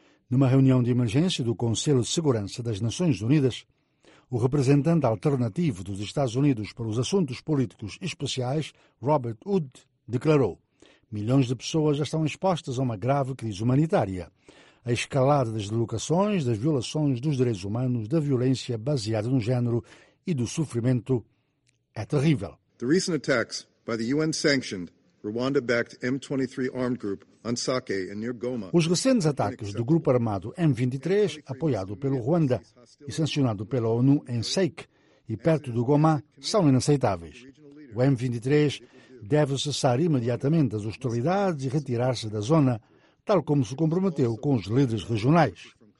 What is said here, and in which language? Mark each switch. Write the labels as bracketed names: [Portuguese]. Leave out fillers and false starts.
[Portuguese] Numa reunião de emergência do Conselho de Segurança das Nações Unidas, o representante alternativo dos Estados Unidos para os Assuntos Políticos Especiais, Robert Wood, declarou: "Milhões de pessoas já estão expostas a uma grave crise humanitária. A escalada das deslocações, das violações dos direitos humanos, da violência baseada no género e do sofrimento é terrível." [English] The recent attacks by the UN-sanctioned Rwanda-backed M23 armed group on Sake and near Goma. [Portuguese] Os recentes ataques do grupo armado M23, apoiado pelo Ruanda e sancionado pela ONU em Sake e perto do Goma, são inaceitáveis. O M23 deve cessar imediatamente das hostilidades e retirar-se da zona, tal como se comprometeu com os líderes regionais.